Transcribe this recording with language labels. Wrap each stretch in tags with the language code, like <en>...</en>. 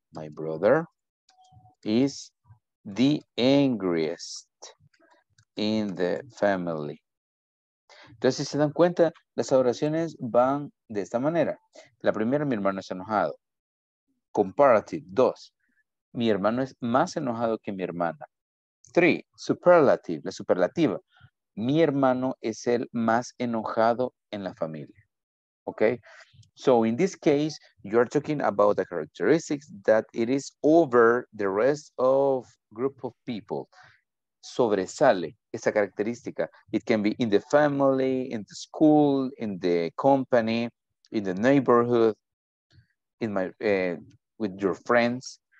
<en>My brother is the angriest in the family.</en> <es>Entonces, si se dan cuenta, las oraciones van de esta manera. La primera, mi hermano es enojado. Comparative, dos. Mi hermano es más enojado que mi hermana. Three, superlative, la superlativa. Mi hermano es el más enojado en la familia.</es> <en>Okay? So, in this case, you're talking about the characteristics that it is over the rest of group of people.</en> <es>Sobresale esa característica.</es> <en>It can be in the family, in the school, in the company, in the neighborhood, in my with your friends.</en>